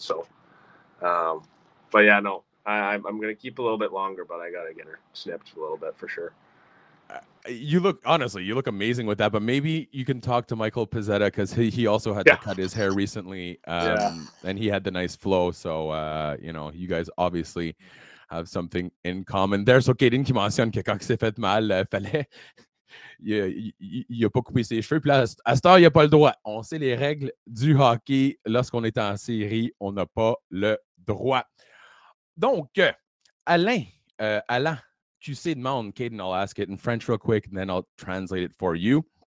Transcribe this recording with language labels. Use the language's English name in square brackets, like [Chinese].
[English] So, but yeah, no, I'm going to keep a little bit longer, but I got to get her snipped a little bit for sure. You look amazing with that, but maybe you can talk to Michael Pezzetta, because he also had to cut his hair recently. And he had the nice flow. So, you know, you guys obviously have something in common there. [French] So Kaden qui mentionne que quand il s'est fait mal, fallait, il a pas coupé ses cheveux. Puis là, à cette heure, il n'a pas le droit. On sait les règles du hockey. Lorsqu'on est en série, on n'a pas le droit. Donc, Alain, tu sais, demande, [English] Kaden, I'll ask it in French real quick, and then I'll translate it for you.